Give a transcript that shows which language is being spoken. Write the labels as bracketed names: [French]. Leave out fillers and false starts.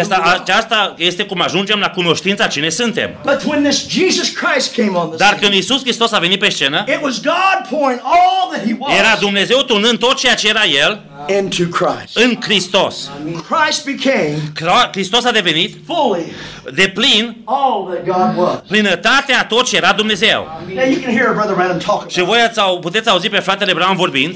[Romanian] asta, aceasta este cum ajungem la cunoștința cine suntem. [English] But when this Jesus Christ came on the scene, [Romanian] dar când Iisus Hristos a venit pe scenă, [English] it was God pouring all that he was. [Romanian] Era Dumnezeu tunând tot ceea ce era el. [English] Into Christ. [Romanian] În Hristos. [English] Christ became. [Romanian] Hristos a devenit. [English] Fully. [Romanian] De plin. [English] All that God was. [Romanian] Plinătatea tot ce era Dumnezeu. [English] Now you can hear Brother Branham talk. [Romanian] Și voi puteți auzi pe fratele Branham vorbind.